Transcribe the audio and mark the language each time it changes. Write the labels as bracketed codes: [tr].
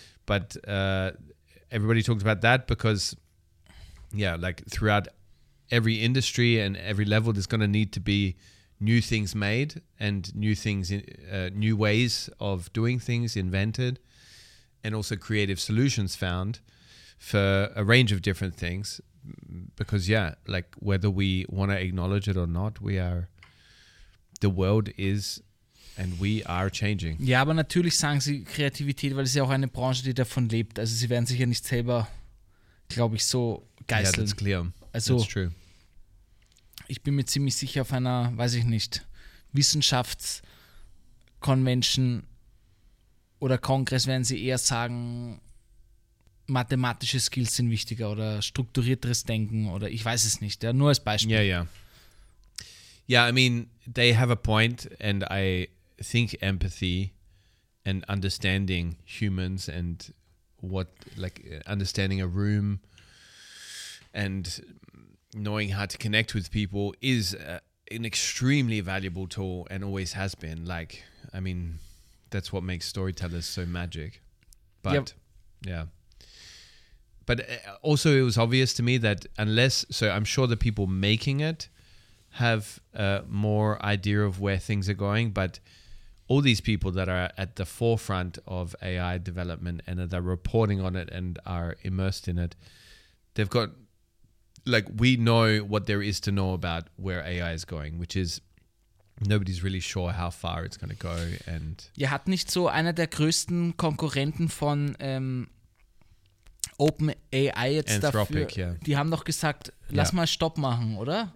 [en] But everybody talked about that because, yeah, like throughout every industry and every level, there's going to need to be new things made and new things, new ways of doing things invented, and also creative solutions found for a range of different things. Because, yeah, like whether we want to acknowledge it or not, we are, the world is and we are changing. [de] Ja, aber natürlich sagen sie Kreativität, weil es ist ja auch eine Branche, die davon lebt. Also, sie werden sich ja nicht selber, glaube ich, so geißeln. [en] Yeah, that's clear. [de] Also, [en] that's true. [de] Ich bin mir ziemlich sicher, auf einer, weiß ich nicht, Wissenschaftskonvention oder Kongress werden sie eher sagen, mathematische Skills sind wichtiger oder strukturierteres Denken oder ich weiß es nicht. Ja, nur als Beispiel. [en] Yeah, yeah. Yeah, I mean, they have a point and I think empathy and understanding humans and what, like, understanding a room and knowing how to connect with people is an extremely valuable tool and always has been. Like, I mean, that's what makes storytellers so magic. But, yeah. But also it was obvious to me that unless, so I'm sure the people making it have more idea of where things are going, but all these people that are at the forefront of AI development and that are reporting on it and are immersed in it, they've got like we know what there is to know about where AI is going, which is nobody's really sure how far it's going to go. And [de] ihr habt nicht so einer der größten Konkurrenten von Open AI jetzt Anthropic, dafür. [en] Yeah. [de] Die haben doch gesagt, lass mal Stopp machen, oder?